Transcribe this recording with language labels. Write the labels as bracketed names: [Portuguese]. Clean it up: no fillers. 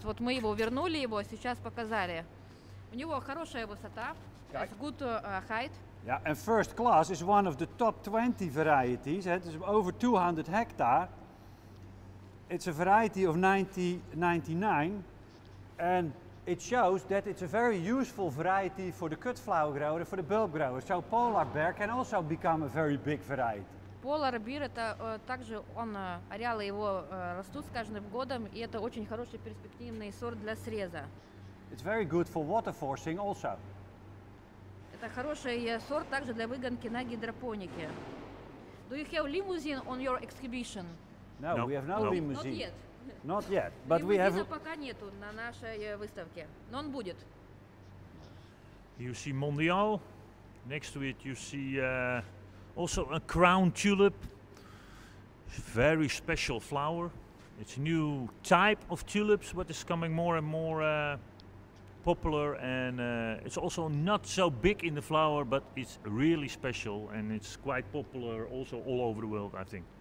[Russian] Вот мы его вернули, его сейчас показали. У него хорошая высота. [English] It's good height. Yeah, and first class is one of the top 20 varieties. It is over 200 hectare. It's a variety of 1999. And it shows that it's a very useful variety for the cut flower grower, for the bulb grower. So polar bear can also become a very big variety. [Russian] Polar bear, это также он ареалы его растут с каждым годом, и это очень хороший перспективный сорт для среза. [English] It's very good for water forcing also. [Russian] Это хороший сорт также для выгонки на гидропонике. [English] Do you have limousine on your exhibition? No, we have no limousine. Not yet. Not yet, but we have. [Russian] Limousина пока нету на нашей выставке, но он будет. [English] You see Mondial. Next to it, you see also a crown tulip. Very special flower. It's a new type of tulips, but it's coming more and more popular, and it's also not so big in the flower, but it's really special and it's quite popular also all over the world, I think.